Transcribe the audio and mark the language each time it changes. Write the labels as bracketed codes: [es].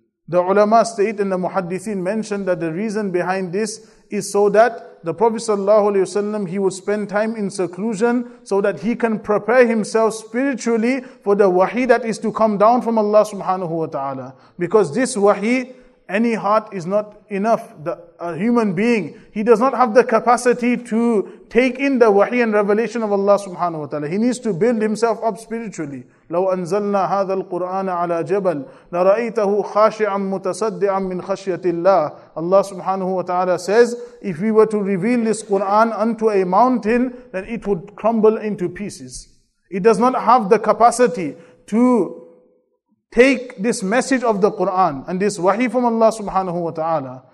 [en] The ulama state and the muhaddithin mentioned that the reason behind this is so that the Prophet sallallahu alaihi wasallam, he would spend time in seclusion so that he can prepare himself spiritually for the wahi that is to come down from Allah subhanahu wa ta'ala. Because this wahi, any heart is not enough. A human being, he does not have the capacity to take in the wahi and revelation of Allah subhanahu wa ta'ala. He needs to build himself up spiritually. [ar] لو أنزلنا هذا القرآن على جبل لرأيته خاشعا متصدعا من خشية الله. [en] Allah subhanahu wa ta'ala says, if we were to reveal this Quran unto a mountain, then it would crumble into pieces. It does not have the capacity to take this message of the Quran and this wahi from Allah subhanahu wa ta'ala.